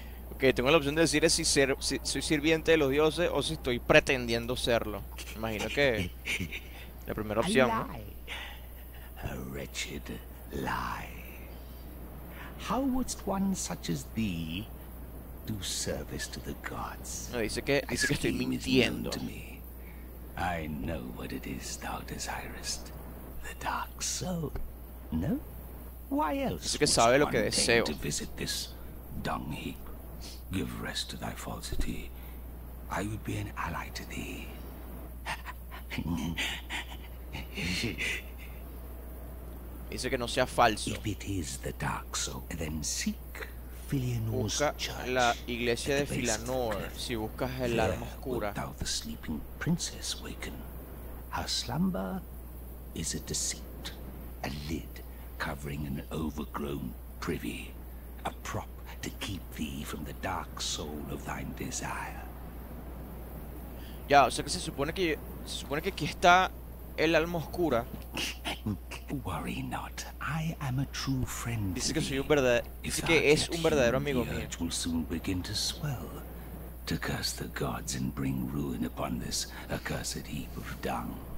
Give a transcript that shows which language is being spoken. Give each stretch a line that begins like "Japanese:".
Spanish: Ok, tengo la opción de decir si soy sirviente de los dioses o si estoy pretendiendo serlo. Imagino que la primera opción, ¿no?
English: A wretched lie. How wouldst one such as thee do service to the gods?
Spanish: No, dice que estoy mintiendo.
English: I know what it is thou desirest. The dark soul. No? Why else?
Spanish: Dice que sabe lo que deseo.
English: To visit this dung heap. Give rest to thy falsity. I would be an ally to thee.
Spanish: Dice que no sea falso.
English: If it is the dark soul, then seek Filianor's church.
Spanish: Busca la iglesia de Filanor si buscas el alma oscura.
English: Thou the sleeping princess waken. Her slumber is a deceit, a lid covering an overgrown privy, a prop to keep thee from the dark soul of thine desire.
Spanish: Ya, o sea que se supone que aquí está el alma oscura.
English: Worry not, I am a true friend.
Spanish: Dice que soy un verdadero, dice que es un verdadero amigo mío.
English: It will soon begin to swell, to curse the gods and bring ruin upon this accursed heap of dung.